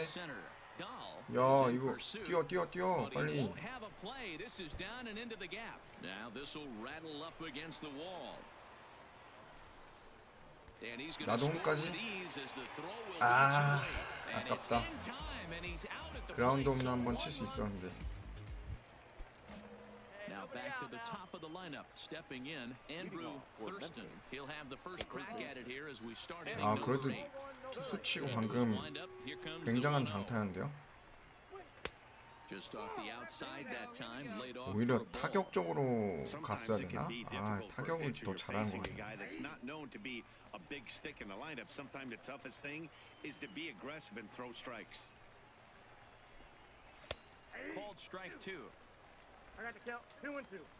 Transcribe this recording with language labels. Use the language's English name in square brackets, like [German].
[Korean] 야, 이거 뛰어 뛰어 뛰어 빨리. [English] Have a play. This is down and into the gap. Now this will rattle up against the wall. And he's going to score with ease as the throw will be too late. [Korean] 아깝다. 그라운드 홈런 한번 칠 수 있었는데. [English] Now back to the top of the lineup, stepping in Andrew Thurston. He'll have the first crack at it here as we start. [Korean] 아, 그래도 투수 치고 방금 굉장한 장타였는데요. [English] Just off the outside that time, laid off. [Korean] 오히려 타격적으로 갔어야 되나? 아, 타격을 더 잘한 거 같은데. [English] A big stick in the lineup. Sometimes the toughest thing is to be aggressive and throw strikes. Called strike two. I got the count 2-2.